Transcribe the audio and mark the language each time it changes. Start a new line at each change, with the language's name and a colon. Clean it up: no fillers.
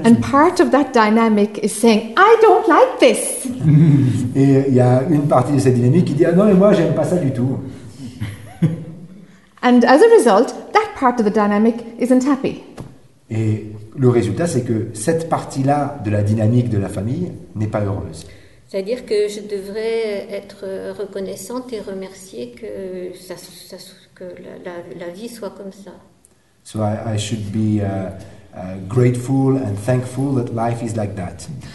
English: Part of that dynamic is saying, I don't like this.
French: Et il y a une partie de cette dynamique qui dit, ah non, mais moi, j'aime pas ça du tout.
English: And as a result, that part of the dynamic isn't happy.
French: Et le résultat, c'est que cette partie-là de la dynamique de la famille n'est pas heureuse. C'est-à-dire que je devrais être reconnaissante et remercier que la vie soit comme ça.
English: So I should be grateful and thankful that life is like that.